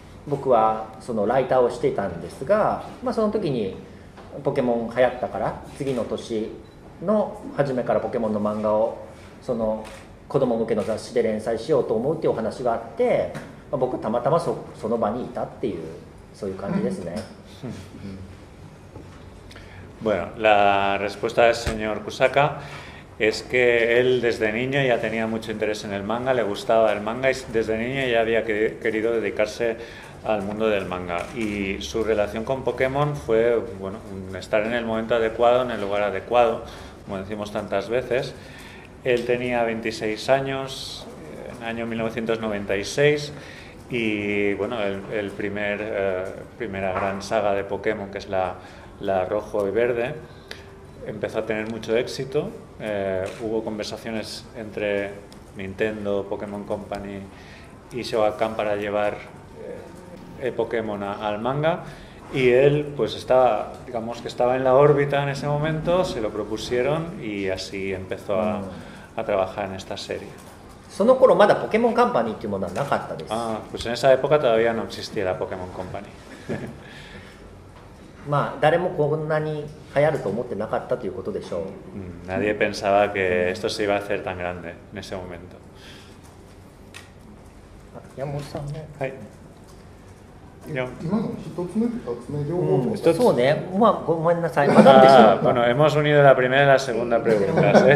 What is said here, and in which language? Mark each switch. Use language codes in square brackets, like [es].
[ja] 僕はそのライターをしていたんですが、まあ、その時にポケモン流行ったから次の年の初めからポケモンの漫画をその子供向けの雑誌で連載しようと思うっていうお話があって、まあ、僕たまたま その場にいたっていうそういう感じですね。 [es] Bueno, la respuesta del señor Kusaka es que él desde niño ya tenía mucho interés en el manga, le gustaba el manga y desde niño ya había querido dedicarse al mundo del manga. Y su relación con Pokémon fue, bueno, estar en el momento adecuado, en el lugar adecuado, como decimos tantas veces. Él tenía 26 años, en el año 1996, y bueno, el primera gran saga de Pokémon, que es la rojo y verde, empezó a tener mucho éxito. Hubo conversaciones entre Nintendo, Pokémon Company y Shogakukan para llevar Pokémon al manga, y él pues estaba, digamos que estaba en la órbita en ese momento, se lo propusieron y así empezó a trabajar en esta serie. [ja] その頃まだポケモンカンパニーっていうものはなかったです。 [es] ああ、pues en esa época todavía no existía la Pokémon Company. [ja] まあ誰もこんなに流行ると思ってなかったということでしょう。 [es] Nadie pensaba que esto se iba a hacer tan grande en ese momento. [ja] 山本さんね。はい。 [es] No. Sí, ¿no? Bueno, bueno, hemos unido la primera y la segunda pregunta.